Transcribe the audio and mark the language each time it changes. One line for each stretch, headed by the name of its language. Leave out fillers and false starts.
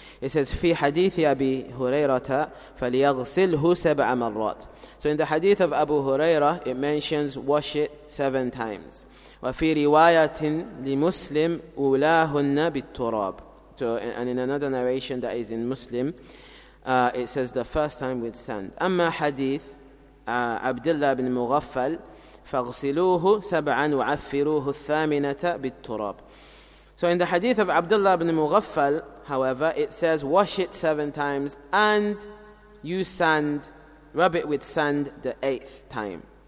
English: It says,
Arabic: "في حديث أبي هريرة فليغسله سبع مرات."
English: So in the hadith of Abu Huraira, it mentions wash it seven times.
Arabic: وفي رواية لمسلم أولاهن بالتراب.
English: So, and in another narration that is in Muslim, it says the first time with sand.
Arabic: أما حديث عبدالله بن مغفل فاغسلوه سبعا وعفروه الثامنة بالتراب.
English: So in the hadith of Abdullah ibn Mughaffal, however, it says wash it seven times and use sand, rub it with sand the eighth time.